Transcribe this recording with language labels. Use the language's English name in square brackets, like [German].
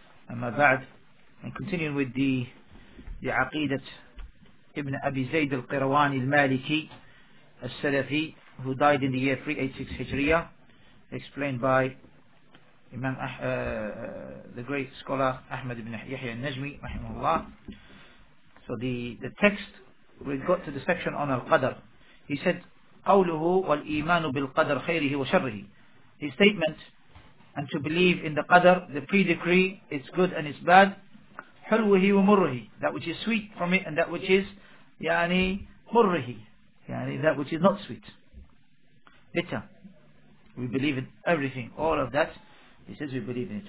[English] Amma ba'd, and continuing with the aqidat Ibn Abi Zayd al-Qirawani al-Maliki, al-Salafi, who died in the year 386 Hijriya, explained by Imam the great scholar Ahmad ibn Yahya al-Najmi, rahimahullah. So the text, we got to the section on al-Qadr. He said, [Arabic] قَوْلُهُ وَالْإِيمَانُ بِالْقَدْرِ خَيْرِهِ وَشَرِّهِ. [English] His statement, and to believe in the Qadr, the pre-decree, it's good and it's bad, [Arabic] حُلْوِهِ وَمُرْهِ, [English] that which is sweet from it and that which is, يعني, مُرْهِ, يعني, that which is not sweet, bitter. We believe in everything, all of that. He says we believe in it.